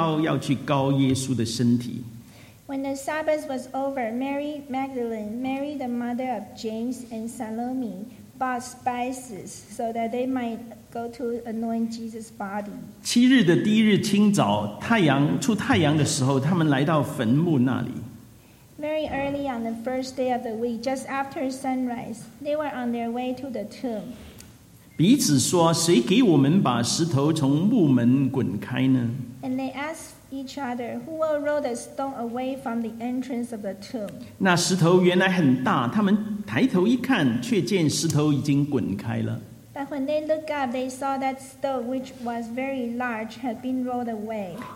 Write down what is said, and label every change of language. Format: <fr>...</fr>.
<zh>过了安息日，抹大拉的玛利亚和雅各的母亲玛利亚撒罗米买了香膏要去膏耶稣的身体。</zh> <en>When the Sabbath was over, Mary Magdalene, Mary the mother of James and Salome, bought spices so that they might go to anoint Jesus' body.</en> <zh>七日的第一日清早，太阳出太阳的时候，他们来到坟墓那里。</zh> <en>Very early on the first day of the week, just after sunrise, they were on their way to the tomb.</en> <zh>彼此说，谁给我们把石头从墓门滚开呢？</zh> <en>And they asked each other, who will roll the stone away from the entrance of the tomb?</en> <zh>那石头原来很大，他们抬头一看，却见石头已经滚开了。</zh> <en>But when they looked up, they saw that stone, which was very large, had been rolled away.</en>